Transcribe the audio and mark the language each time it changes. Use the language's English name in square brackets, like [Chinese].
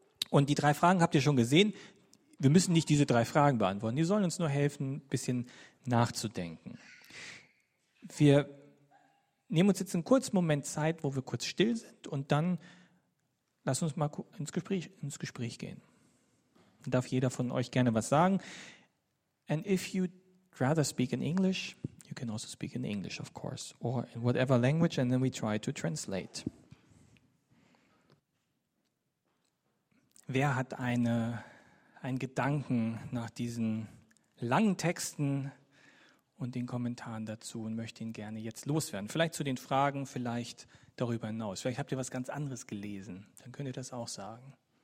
[German] Und die drei Fragen habt ihr schon gesehen. Wir müssen nicht diese drei Fragen beantworten. Die sollen uns nur helfen, ein bisschen nachzudenken. Wir nehmen uns jetzt einen kurzen Moment Zeit, wo wir kurz still sind. Und dann lass uns mal ins Gespräch gehen. Dann darf jeder von euch gerne was sagen. [English] And if you'd rather speak in English, you can also speak in English, of course. Or in whatever language, and then we try to translate. [German] Wer hat einen Gedanken nach diesen langen Texten und den Kommentaren dazu und möchte ihn gerne jetzt loswerden? Vielleicht zu den Fragen, vielleicht darüber hinaus. Vielleicht habt ihr was ganz anderes gelesen, dann könnt ihr das auch sagen.